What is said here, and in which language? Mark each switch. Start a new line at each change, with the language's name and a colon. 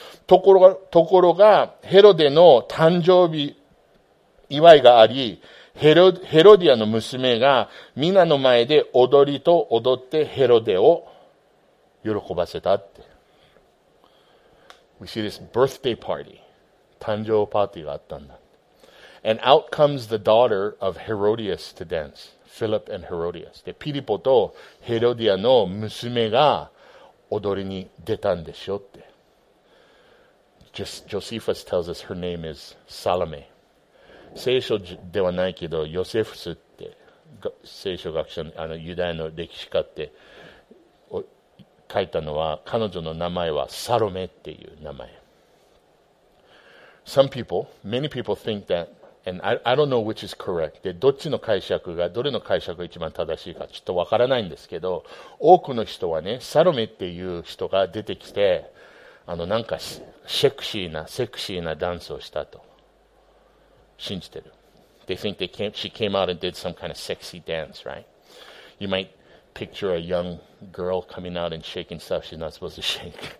Japanese: ところが、ヘロデの誕生日祝いがあり、ヘロディアの娘が皆の前で踊りと踊ってヘロデを喜ばせたって。
English: We see this birthday party.
Japanese: 誕生パーティーがあったんだ。
English: And out comes the daughter of Herodias to dance. Philip and Herodias.
Japanese: で、ピリポとヘロディアの娘が踊りに出たんでしょって。
English: Josephus tells us her name is Salome.
Japanese: 聖書ではないけど、ヨセフスって、聖書学者の、ユダヤの歴史家って書いたのは、彼女の名前はサロメっていう名前。
English: Some people, many people think thatAnd I don't know which is correct.
Japanese: で、どっちの解釈が、どれの解釈が一番正しいかちょっとわからないんですけど、多くの人はね、サロメっていう人が出てきて、なんかセクシーなダンスをしたと、信じてる。
English: They think she came out and did some kind of sexy dance, right? You might picture a young girl coming out and shaking stuff she's not supposed to shake.